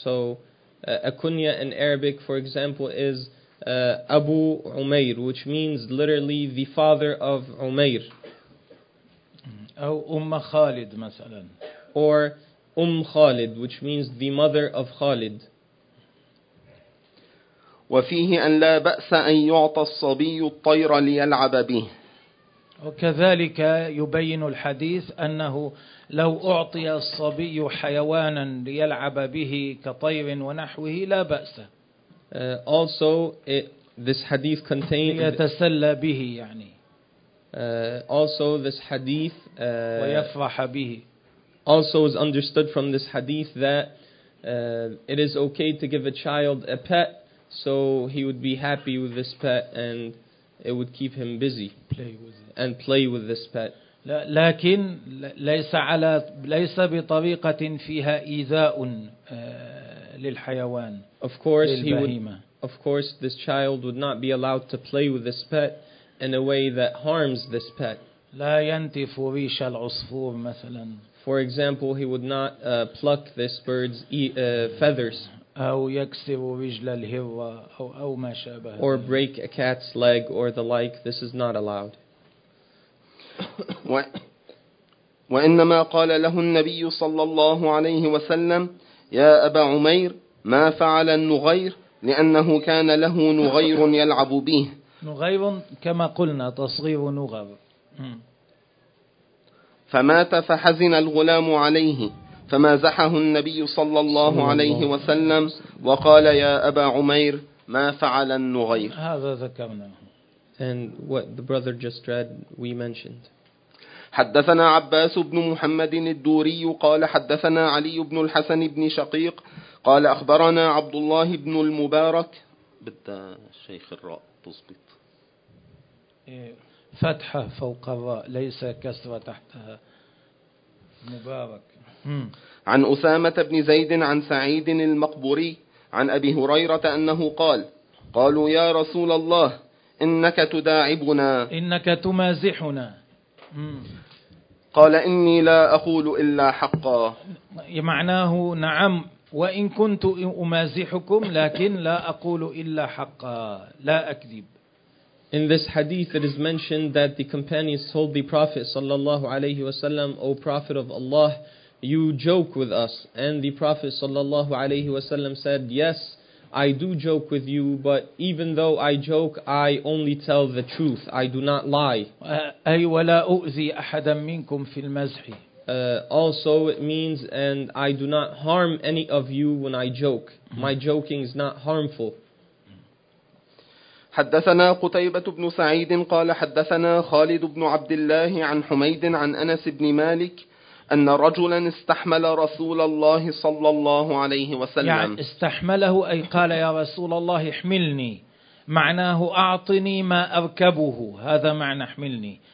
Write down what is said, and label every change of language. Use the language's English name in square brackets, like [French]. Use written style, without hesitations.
[English] So a kunya in Arabic, for example, is Abu Umair, which means literally the father of Umair. [Arabic] أو أم خالد مثلا. [English] Or أم خالد, which means the mother of خالد. [Arabic] وفيه أن لا بأس أن يعطى الصبي الطير ليلعب به. وكذلك يبين الحديث أنه لو أعطي الصبي حيوانا ليلعب به كطير ونحوه لا بأس. [English] Also this hadith contains [Arabic] يتسلى به يعني. [English] Also this hadith [Arabic] ويفرح به. [English] Also is understood from this hadith that it is okay to give a child a pet, so he would be happy with this pet and it would keep him busy and play with this pet. [Arabic] لكن ليس بطريقة فيها إيذاء للحيوان. [English] Of course, he would. Of course, this child would not be allowed to play with this pet in a way that harms this pet. [Arabic] لا ينتف ريش العصفور مثلا. [English] For example, he would not pluck this bird's feathers. [Arabic] أو يكسر رجل الهرة أو ما شابه. [English] Or break a cat's leg or the like. This is not allowed. [Arabic] وإنما قال له النبي صلى الله عليه وسلم يا أبا عمير ما فعل النغير، لأنه كان له نغير يلعب به. نغير كما قلنا تصغير نغر. فمات فحزن الغلام عليه، فما زحه النبي صلى الله عليه وسلم وقال يا أبا عمير ما فعل النغير. هذا ذكرنا. [English] And what the brother just read, we mentioned. [Arabic] حدثنا عباس بن محمد الدوري قال حدثنا علي بن الحسن بن شقيق قال أخبرنا عبد الله بن المبارك بدأ الشيخ الراء تزبط فتحة فوق الراء ليس كسرة تحتها مبارك. عن أسامة بن زيد عن سعيد المقبوري عن أبي هريرة أنه قال قالوا يا رسول الله إنك تداعبنا إنك تمازحنا. قال إني لا أقول إلا حقا، معناه نعم وإن كنت أمازحكم لكن لا أقول إلا حقا لا أكذب. [English] In this hadith it is mentioned that the companions told the Prophet [Arabic] صلى الله عليه وسلم [English] O Prophet of Allah, you joke with us. And the Prophet [Arabic] صلى الله عليه وسلم [English] said yes, I do joke with you, but even though I joke, I only tell the truth. I do not lie. [Arabic] أي ولا أؤذي أحدا منكم في المزح. [English] Also it means, and I do not harm any of you when I joke. My joking is not harmful. [Arabic] حدثنا قتيبة بن سعيد قال حدثنا خالد بن عبد الله عن حميد عن أنس بن مالك أن رجلا استحمل رسول الله صلى الله عليه وسلم. يعني استحمله أي قال يا رسول الله احملني، معناه أعطني ما أركبه، هذا معنى احملني،